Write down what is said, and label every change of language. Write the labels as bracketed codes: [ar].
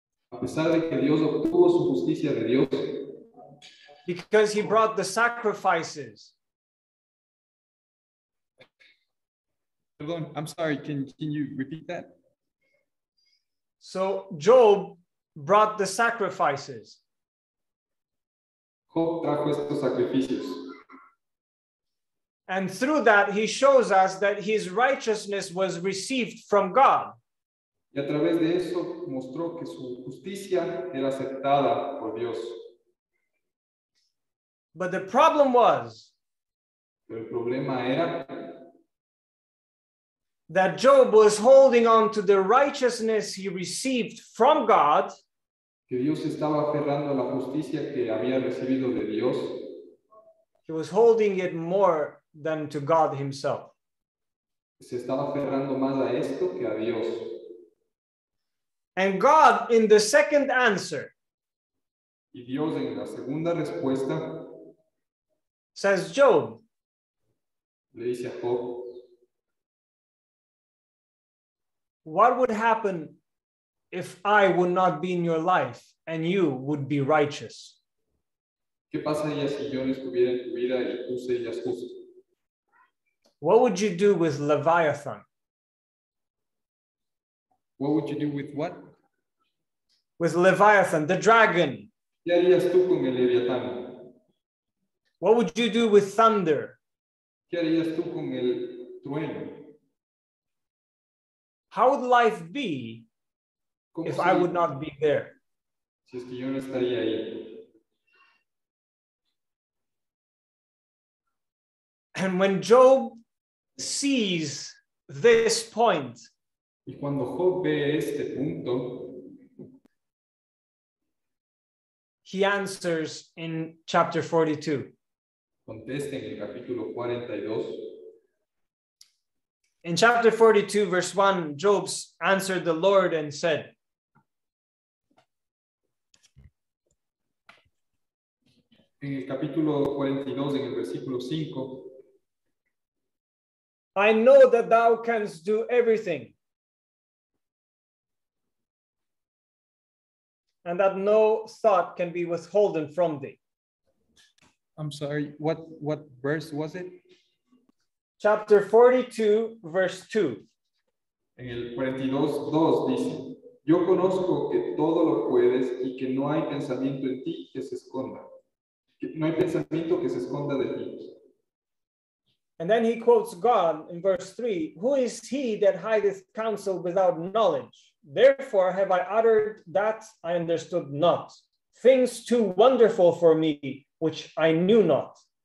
[es] A pesar de que Dios obtuvo su justicia de Dios. [en] Because he brought the sacrifices. I'm sorry, can you repeat that? So Job brought the sacrifices. [es] Job trajo estos sacrificios. [en] And through that, he shows us that his righteousness was received from God. [es] Y a través de eso, mostró que su justicia era aceptada por Dios. [en] But the problem was, [es] pero el problema era, [en] that Job was holding on to the righteousness he received from God, [es] que Dios estaba aferrando a la justicia que había recibido de Dios. [en] He was holding it more than to God himself. [es] Se estaba aferrando más a esto que a Dios. [en] And God, in the second answer, [es] y Dios en la segunda respuesta, [en] says Job, [es] le dice a Job, [en] what would happen if I would not be in your life and you would be righteous? [es] ¿Qué pasaría si yo no estuviera en tu vida y tú serías justo? [en] What would you do with Leviathan? What would you do with what? With Leviathan, the dragon. [es] ¿Qué harías tú con el Leviatán? [en] What would you do with thunder? [es] ¿Qué harías tú con el trueno? [en] How would life be if I would not be there? [es] Si es que yo no estaría ahí. [en] And when Job sees this point, [es] y cuando Job ve este punto, [en] he answers in chapter 42. [es] Contesta en el capítulo 42. [en] In chapter 42, verse 1, Job answered the Lord and said, [es] en el capítulo 42, en el versículo 5, [en] I know that thou canst do everything, and that no thought can be withholden from thee. I'm sorry, what verse was it? Chapter 42, verse 2. [es] En el 42:2 dice, yo conozco que todo lo puedes y que no hay pensamiento en ti que se esconda. Que no hay pensamiento que se esconda de ti. [en] And then he quotes God in verse 3. Who is he that hideth counsel without knowledge? Therefore have I uttered that I understood not. Things too wonderful for me, which I knew not.